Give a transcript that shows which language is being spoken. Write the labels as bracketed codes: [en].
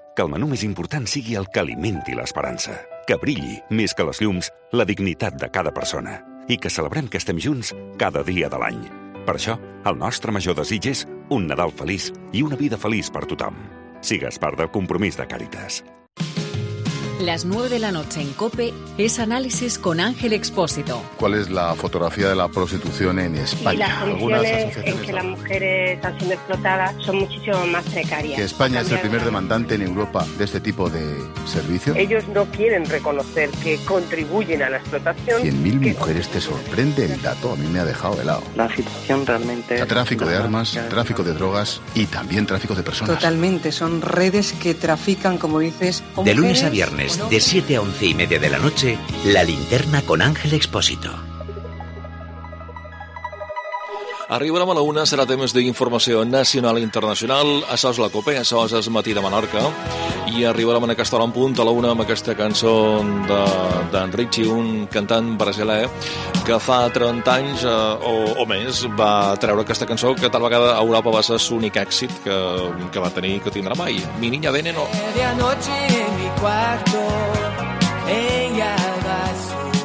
[ca] Que el menú més important sigui el que alimenti l'esperança. Que brilli, més que les llums, la dignitat de cada persona. I que celebrem que estem junts cada dia de l'any. Per això, el nostre major desig és un Nadal feliç i una vida feliç per tothom. Sigues part del compromís de Càritas. [es] Las 9 de la noche en COPE es análisis con Ángel Expósito. ¿Cuál es la fotografía de la prostitución en España? Y las condiciones en que las mujeres están siendo explotadas son muchísimo más precarias. ¿Que España es el primer demandante en Europa de este tipo de servicio? Ellos no quieren reconocer que contribuyen a la explotación. 100.000 mujeres, te sorprende el dato, a mí me ha dejado helado. La situación realmente... El tráfico de armas, tráfico de drogas y también tráfico de personas. Totalmente, son redes que trafican, como dices, mujeres. De lunes a viernes. De 7 a 11 y media de la noche, La Linterna con Ángel Expósito. [ca] Arribarem a la una, serà temes d'informació nacional i internacional. Això és la COPE, això és el Matí de Menorca. I arribarem en aquesta hora en punt, a la una, amb aquesta cançó d'en Richie, un cantant brasiler, que fa 30 anys o més va treure aquesta cançó, que tal vegada a Europa va ser l'únic èxit que va tenir i que tindrà mai. [es] Mi niña veneno. Media noche en mi cuarto, ella va subir.